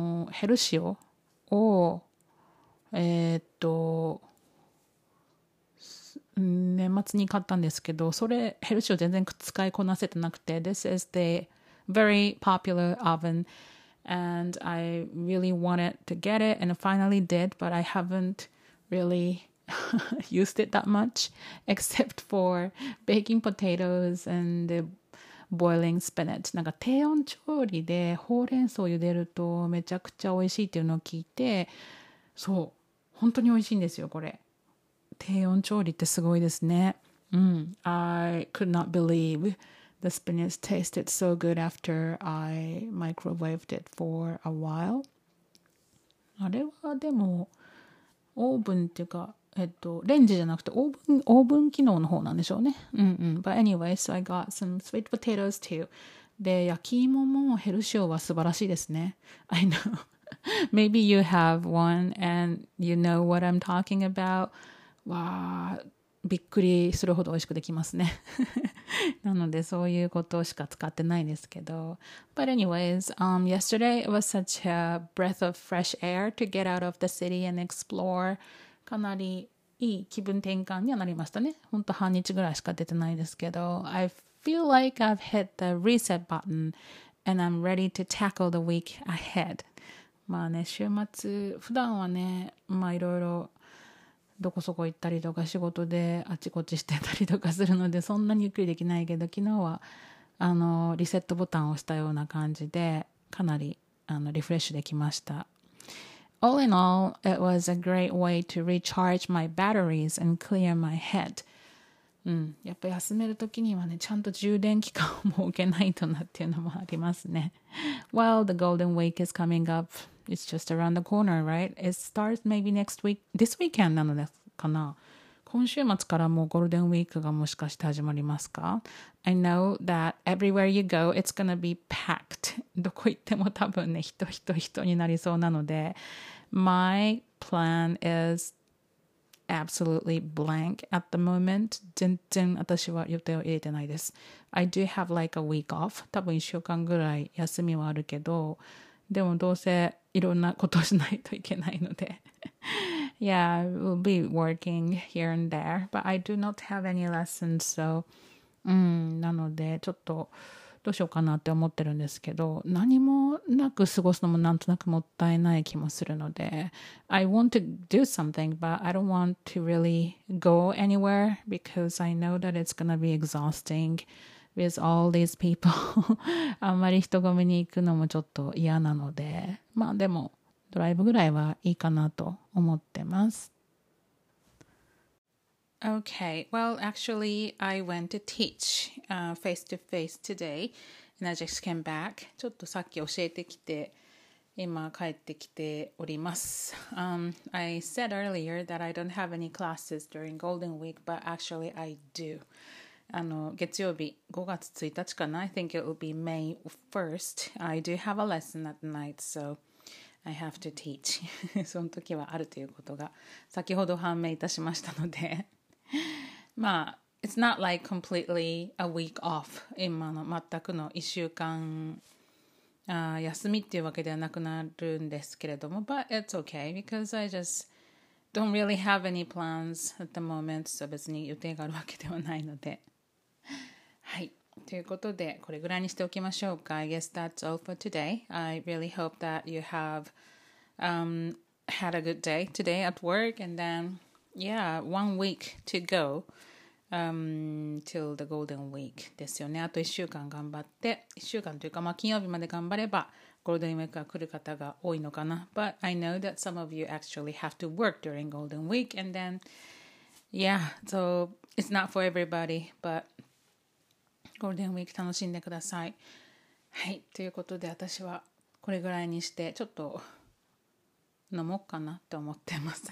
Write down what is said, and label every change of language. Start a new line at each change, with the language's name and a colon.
Japanese: ヘルシオを年末に買ったんですけど、それヘルシオ全然使いこなせてなくて、
English: This is the very popular oven and I really wanted to get it and finally did, but I haven't reallyused it that much except for baking potatoes andboiling spinach。
Japanese: なんか低温調理でほうれん草を茹でるとめちゃくちゃ美味しいっていうのを聞いて、そう本当に美味しいんですよこれ。低温調理ってすごいですね。
English: I could not believe the spinach tasted so good after I microwaved it for a while。
Japanese: あれはでもオーブンっていうかレンジじゃなくてオーブン機能の方なんでしょうね。
English: But anyway, so I got some sweet potatoes too.
Japanese: で、焼き芋もヘルシオは素晴らしいですね。
English: I know. Maybe you have one and you know what I'm talking about. わー、
Japanese: びっくりするほど美味しくできますね。なのでそういうことしか使ってないですけど。
English: But anyways, yesterday it was such a breath of fresh air to get out of the city and explore.
Japanese: かなりいい気分転換にはなりましたね。本当半日ぐらいしか出てないですけど。
English: I feel like I've hit the reset button and I'm ready to tackle the week ahead.
Japanese: まあね、週末、普段はね、まあいろいろどこそこ行ったりとか仕事であちこちしてたりとかするのでそんなにゆっくりできないけど、昨日はリセットボタンを押したような感じでかなりリフレッシュできました。
English: All in all, it was a great way to recharge my batteries and clear my head.
Japanese: やっぱ休めるときにはね、ちゃんと充電期間を設けないとなっていうのもありますね。
English: Well, the golden week is coming upIt's just around the corner, right? It starts maybe next week, this weekend
Japanese: なのでかな。今週末からもうゴールデンウィークがもしかして始まりますか?
English: I know that everywhere you go, it's gonna be packed.
Japanese: どこ行っても多分ね、人人人になりそうなので。
English: My plan is absolutely blank at the moment.
Japanese: 全然私は予定を入れてないです。
English: I do have like a week off.
Japanese: 多分1週間ぐらい休みはあるけど、でもどうせいろんなことをしないといけないので。
English: Yeah, I will be working here and there, but I do not have any lessons, so...
Japanese: なので、ちょっとどうしようかなって思ってるんですけど、何もなく過ごすのもなんとなくもったいない気もするので。
English: I want to do something, but I don't want to really go anywhere because I know that it's gonna be exhausting. With all these people.
Japanese: あんまり人混みに行くのもちょっと嫌なので、まあでもドライブぐらいはいいかなと思ってます。
English: Okay, well, actually, I went to teach face-to-face today, and I just came back.
Japanese: ちょっとさっき教えてきて、今帰ってきております。
English: I said earlier that I don't have any classes during Golden Week, but actually I do.
Japanese: 月曜日5月1日かな?
English: I think it will be May 1st. I do have a lesson at night, so I have to teach.
Japanese: その時はあるということが先ほど判明いたしましたので、
English: まあ It's not like completely a week off.
Japanese: 今の全くの1週間休みっていうわけではなくなるんですけれども、
English: But it's okay because I justDon't really have any plans at the moment, so
Japanese: 別に予定があるわけではないので。はい。ということで、これぐらいにしておきましょうか。
English: I guess that's all for today. I really hope that you have had a good day today at work. And then, yeah, one week to go till the golden week
Japanese: ですよね。あと1週間頑張って、1週間というか、まあ、金曜日まで頑張れば、ゴールデンウィークが来る方が多いのかな。
English: But I know that some of you actually have to work during Golden Week and then, yeah, so it's not for everybody, but
Japanese: ゴールデンウィーク楽しんでください。はい、ということで私はこれぐらいにしてちょっと飲もうかなと思ってます。